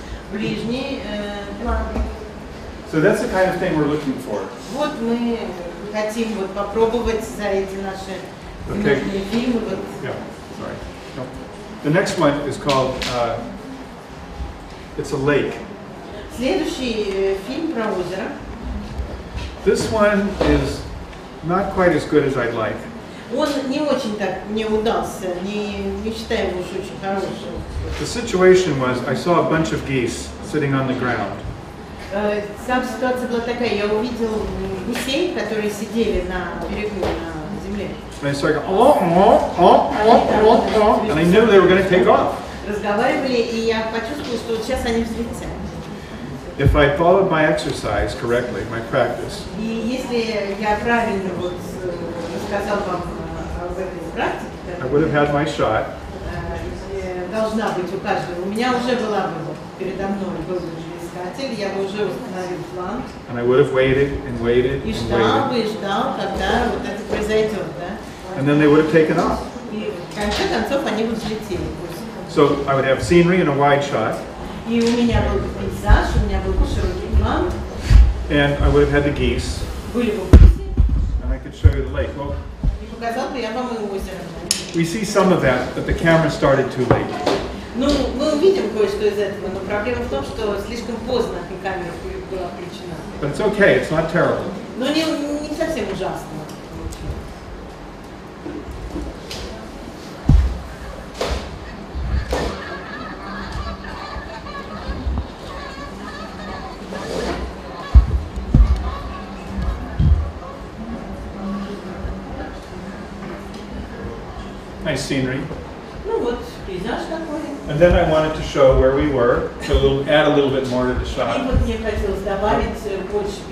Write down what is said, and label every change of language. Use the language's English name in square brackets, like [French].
[English] So that's the kind of thing we're looking for. [Russian] Вот мы хотим вот попробовать за эти наши внутренние фильмы. [English] Yeah, sorry. No. The next one is called It's a Lake. [Russian] Следующий фильм про озеро. [English] This one is not quite as good as I'd like. [Russian] Он не очень так мне удался. Не считаю его уж очень хорошим. [English] The situation was I saw a bunch of geese sitting on the ground. [Russian] Сам ситуация была такая, я увидел гусей, которые сидели на берегу, на земле. [English] They started, and I knew they were going to take off. [Russian] Разговаривали, и я почувствовал, что сейчас они взлетят. [English] If I followed my exercise correctly, my practice, [Russian] и если я правильно вот рассказал вам об этой практике, [English] I would have had my shot. [Russian] Должна быть у каждого. У меня уже была бы передо мной был искатель, я бы уже установил план. [English] And I would have waited and waited [Russian] и ждал, [English] and waited. [Russian] Бы ждал, когда вот это произойдет, да? [English] And then they would have taken off. [Russian] И в конце концов они бы взлетели. [English] So I would have scenery and a wide shot. [Russian] И у меня был бы пейзаж, у меня был бы широкий план. [English] And I would have had the geese. [Russian] Были бы гуси. [English] And I could show you the lake. Well, [Russian] и показал бы я вам и озеро. [English] We see some of that, but the camera started too late. [Russian] Ну, мы увидим кое-что из этого, но проблема в том, что слишком поздно и камера была включена. [English] But it's okay, it's not terrible. [Russian] Но не совсем ужасно. [English] Nice scenery. [Russian] Ну вот, пейзаж такой. [English] And then I wanted to show where we were, to add a little bit more to the shot. [Russian] И вот мне хотелось добавить больше пейзажа.